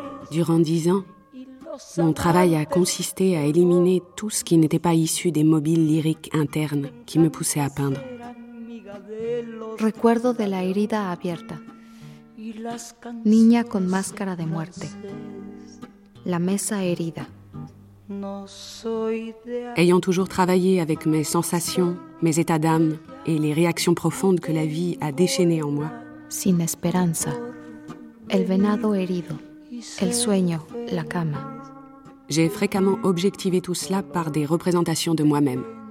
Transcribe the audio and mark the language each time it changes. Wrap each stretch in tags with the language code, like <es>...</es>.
<fr>Durant 10 ans, mon travail a consisté à éliminer tout ce qui n'était pas issu des mobiles lyriques internes qui me poussaient à peindre.</fr> <es>Recuerdo de la herida abierta. Niña con máscara de muerte. La mesa herida.</es> <fr>Ayant toujours travaillé avec mes sensations, mes états d'âme et les réactions profondes que la vie a déchaînées en moi.</fr> <es>Sin esperanza. El venado herido. El sueño, la cama.</es> <fr>J'ai fréquemment objectivé tout cela par des représentations de moi-même.</fr>